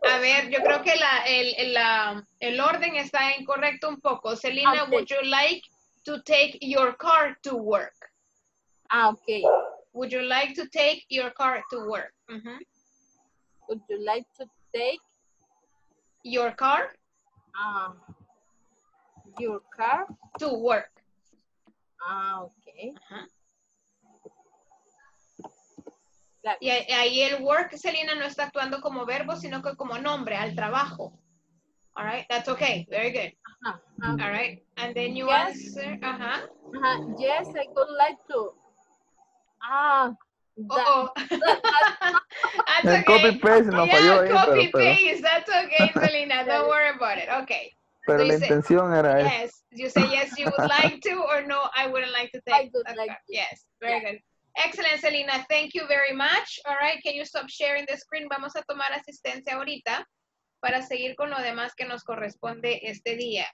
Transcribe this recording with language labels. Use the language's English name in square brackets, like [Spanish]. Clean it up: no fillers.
[Spanish] A ver, yo creo que el orden está incorrecto un poco. [English] Selena, okay. Would you like to take your car to work? Ah, okay. Would you like to take your car to work? Mm-hmm. Would you like to take your car? Your car to work. Ah, okay. [Spanish] Y ahí el work, Selena, no está actuando como verbo, sino que como nombre, al trabajo. [English] All right, that's okay, very good. All right, and then you answer. Yes, I would like to. That's okay. [Spanish] Copy paste, no falló. [English] Yeah, copy paste, that's okay, Selena, don't worry about it. Okay. [Spanish] Pero la intención era eso. [English] Yes, you say yes, you would like to, or no, I wouldn't like to take. I would like to. Yes, very good. Excellent, Selena. Thank you very much. All right, can you stop sharing the screen? [Spanish] Vamos a tomar asistencia ahorita para seguir con lo demás que nos corresponde este día.